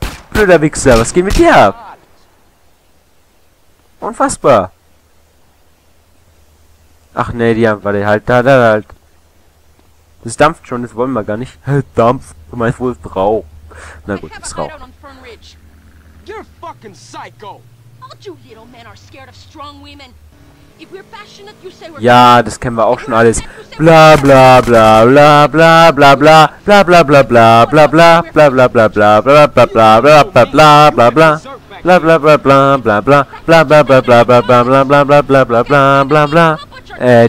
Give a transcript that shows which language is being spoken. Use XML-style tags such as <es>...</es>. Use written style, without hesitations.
<de>Blöder Wichser, was geht mit dir ab? Unfassbar. Ach nee, die haben... Warte, halt, da, da, halt. Das dampft schon, das wollen wir gar nicht. Hey, Dampf, du meinst wohl Rauch. Na gut, ist Rauch.</de> <en>You're fucking psycho. All you little men are scared of strong women. If we're passionate, you say we're...</en> <de>Ja, das kennen wir auch schon alles. Bla bla bla bla bla bla bla bla bla bla bla bla bla bla bla bla bla bla bla bla bla bla bla bla bla bla bla bla bla bla bla bla bla bla bla bla bla bla bla bla bla bla bla bla bla bla bla.</de>